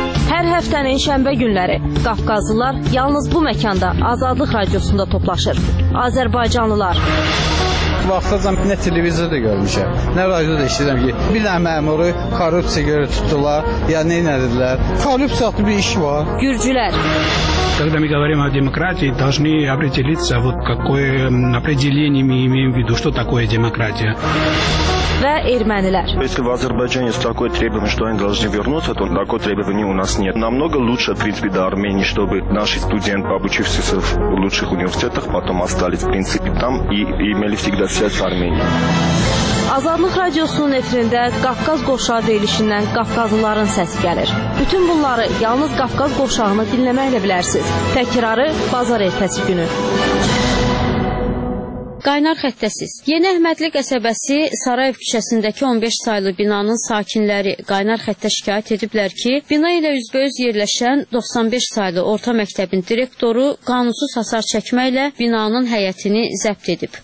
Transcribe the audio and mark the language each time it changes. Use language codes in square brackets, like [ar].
[az] Hər həftənin şənbə günləri Qafqazlılar yalnız bu məkanda Azadlıq radiosunda toplaşır. Azərbaycanlılar. Vaxtacam nə televizorda görmüşəm, nə radioda işləyirəm ki, bir dənə məmuru korrupsiya görə tutdular, ya nə edirlər? Korrupsiyatlı bir iş var. Gürcülər. [ru] Когда мы говорим о демократии, должны определиться, вот какое определение мы имеем в виду, что такое демократия. [az] Və ermənilər. [ru] Если в Азербайджане есть такое требование, что они должны вернуться, то такое требование у нас нет. Намного лучше, в принципе, до Армении, чтобы наши студенты, обучившиеся в лучших университетах, потом остались, в принципе, там и имели всегда связь с Арменией. [az] Azadlıq radiosunun efirində Qafqaz qovşağı deyilişindən Qafqazlıların səsi gəlir. Bütün bunları yalnız Qafqaz qovşağını dinləməklə bilərsiniz. Təkrarı bazar ertəsi günü. Qaynar xəttəsiz. Yeni Əhmədli qəsəbəsi Sarayev küçəsindəki 15 saylı binanın sakinləri qaynar xəttə şikayət ediblər ki, bina ilə üzbəüz yerləşən 95 saylı orta məktəbin direktoru qanunsuz hasar çəkməklə binanın həyətini zəbt edib.